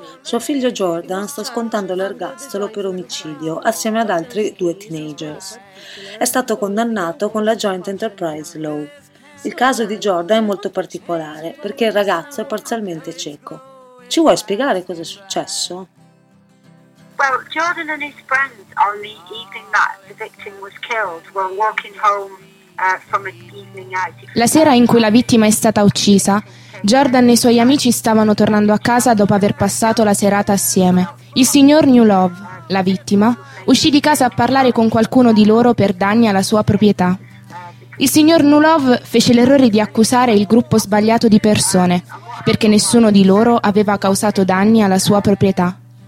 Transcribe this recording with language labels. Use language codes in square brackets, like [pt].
[it] Suo figlio Jordan sta scontando l'ergastolo per omicidio assieme ad altri due teenagers. È stato condannato con la Joint Enterprise Law. Il caso di Jordan è molto particolare perché il ragazzo è parzialmente cieco. Ci vuoi spiegare cosa è successo? [en] Well, Jordan and his friends on the evening that the victim was killed were walking home from an evening out. [it] La sera in cui la vittima è stata uccisa, Jordan e i suoi amici stavano tornando a casa dopo aver passato la serata assieme. Il signor New Love, la vittima, uscì di casa a parlare con qualcuno di loro per danni alla sua proprietà. Il signor New Love fece l'errore di accusare il gruppo sbagliato di persone, perché nessuno di loro aveva causato danni alla sua proprietà.